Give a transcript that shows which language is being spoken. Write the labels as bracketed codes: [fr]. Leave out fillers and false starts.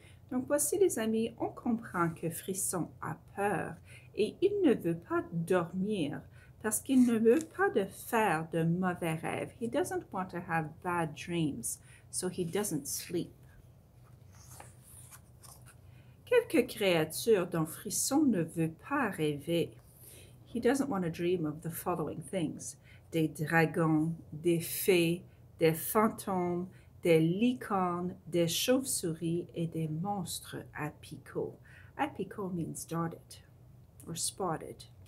[fr] Donc voici les amis, on comprend que Frisson a peur et il ne veut pas dormir. Parce qu'il ne veut pas de faire de mauvais rêves. [en] He doesn't want to have bad dreams, so he doesn't sleep. [fr] Quelques créatures dont Frisson ne veut pas rêver. [en] He doesn't want to dream of the following things. [fr] Des dragons, des fées, des fantômes, des licornes, des chauves-souris et des monstres apicaux. [en] Apicaux means dotted or spotted.